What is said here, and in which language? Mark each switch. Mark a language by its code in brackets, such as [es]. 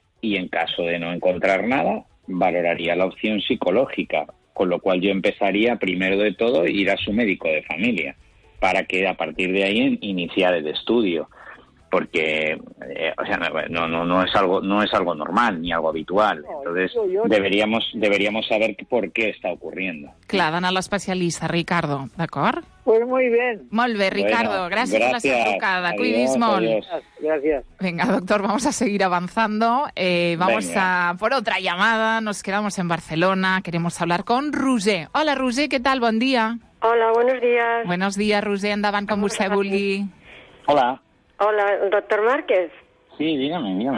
[es] y en caso de no encontrar nada, valoraría la opción psicológica, con lo cual yo empezaría, primero de todo, ir a su médico de familia, para que a partir de ahí iniciar el estudio, porque no es algo normal ni algo habitual. Entonces deberíamos saber por qué está ocurriendo. [ca] Clavan a l'especialista, Ricardo, d'acord? [es] Pues muy bien. [ca] Molt bé, Ricardo, bueno, gràcies per la trucada. Cuidis molt. [es] Gracias. Venga, doctor, vamos a seguir avanzando. Vamos Venga. A por otra llamada. Nos quedamos en Barcelona, queremos hablar con Roger. Hola, Roger, ¿qué tal? [ca] Bon dia. [es] Hola, buenos días. Buenos días, [ca] Roger, endavant com vostè vulgui. [es] Hola. Hola, doctor Márquez. Sí, dígame.